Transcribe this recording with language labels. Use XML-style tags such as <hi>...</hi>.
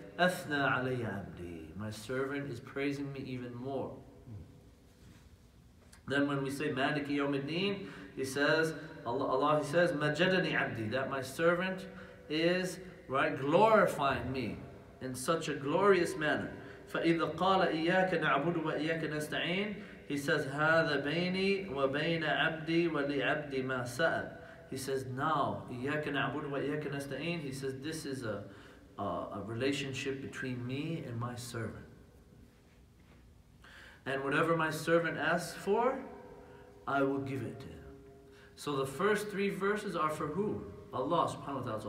<ar>Athna alayya abdi,</ar> <en>my servant is praising me even more. Then when we say,</en> <ar>Maliki yawm al-Din,</ar> <en>he says, Allah, he says,</en> <ar>Majadani abdi,</ar> <en>that my servant is, right, glorifying me in such a glorious manner.</en> <ar>فَإِذَا قَالَ إِيَّاكَ نَعْبُدُ وَإِيَّاكَ نَسْتَعِينَ,</ar> <en>he says,</en> <ar>هَذَا بَيْنِي وَبَيْنَ عَبْدِي وَلِعَبْدِي مَا سَأَلْ.</ar> <en>He says, now,</en> <ar>إِيَّاكَ نَعْبُدُ وَإِيَّاكَ نَسْتَعِينَ,</ar> <en>he says, this is a relationship between me and my servant. And whatever my servant asks for, I will give it to him. So the first three verses are for who? Allah subhanahu wa ta'ala.</en>